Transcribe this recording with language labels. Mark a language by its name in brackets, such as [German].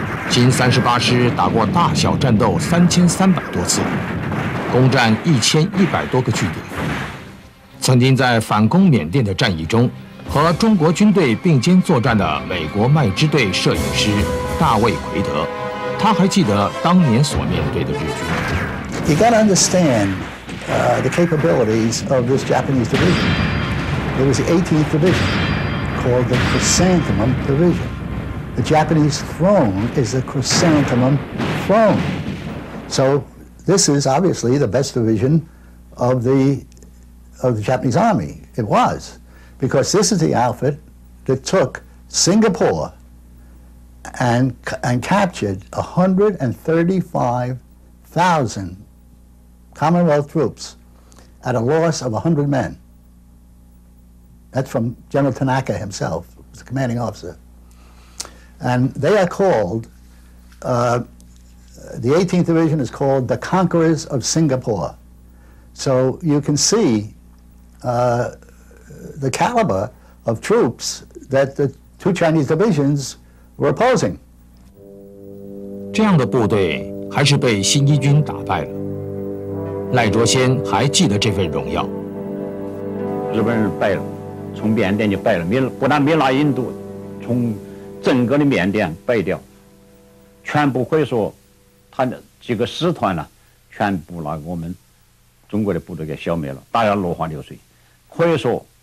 [Chinese] 新三十八师打过大小战斗3300多次，攻占1100多个据点。曾经在反攻缅甸的战役中，和中国军队并肩作战的美国麦支队摄影师大卫·奎德，他还记得当年所面对的日军。 [English] You got to understand the capabilities of this Japanese division. It was the 18th division, called the Chrysanthemum Division. The Japanese throne is the Chrysanthemum throne. So this is obviously the best division of the Japanese army. It was. Because this is the outfit that took Singapore and captured 135,000 Commonwealth troops at a loss of 100 men. That's from General Tanaka himself, who was the commanding officer. And they are called, the 18th Division is called the Conquerors of Singapore. So you can see, the caliber of troops that the two Chinese divisions were opposing. [Chinese] 这样的部队还是被新一军打败了。赖卓先还记得这份荣耀。日本人败了，从缅甸就败了，不但没拿印度，从整个的缅甸败掉，全部会说他的几个师团呢，全部拿我们中国的部队给消灭了，大家落花流水，可以说。